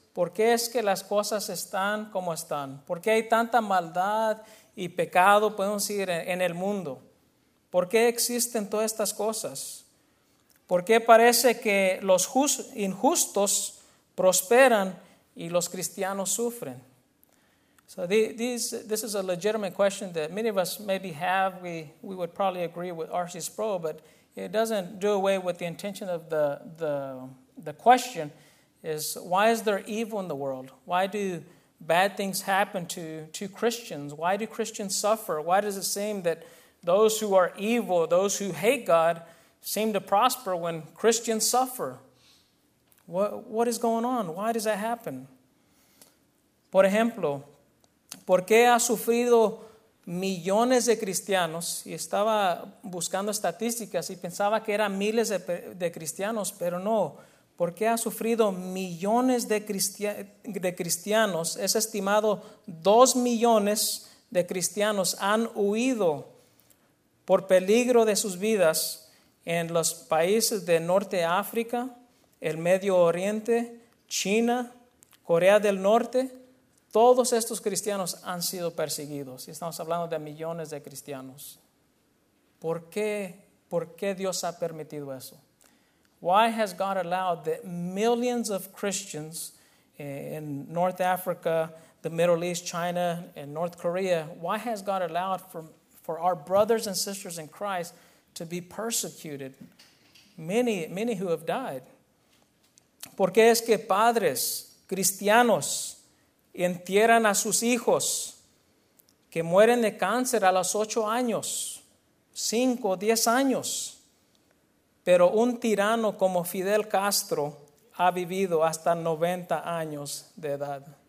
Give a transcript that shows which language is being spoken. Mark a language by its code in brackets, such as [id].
[es] ¿Por qué es que las cosas están como están? ¿Por qué hay tanta maldad y pecado, podemos decir, en el mundo? ¿Por qué existen todas estas cosas? ¿Por qué parece que los injustos prosperan y los cristianos sufren? [en] So this is a legitimate question that many of us maybe have. We would probably agree with R.C. Sproul, but it doesn't do away with the intention of the question is, why is there evil in the world? Why do bad things happen to Christians? Why do Christians suffer? Why does it seem that those who are evil, those who hate God, seem to prosper when Christians suffer? What is going on? Why does that happen? [es] Por ejemplo, ¿por qué ha sufrido millones de cristianos? Y estaba buscando estadísticas y pensaba que eran miles de cristianos, pero no. ¿Por qué ha sufrido millones de cristianos? Es estimado 2 millones de cristianos han huido por peligro de sus vidas en los países de Norte África, el Medio Oriente, China, Corea del Norte. Todos estos cristianos han sido perseguidos. Estamos hablando de millones de cristianos. ¿Por qué Dios ha permitido eso? [en] Why has God allowed that millions of Christians in North Africa, the Middle East, China, and North Korea, why has God allowed for our brothers and sisters in Christ to be persecuted? Many, many who have died. [es] ¿Por qué es que padres cristianos entierran a sus hijos que mueren de cáncer a los 8 años, 5, 10 años, pero un tirano como Fidel Castro ha vivido hasta 90 años de edad?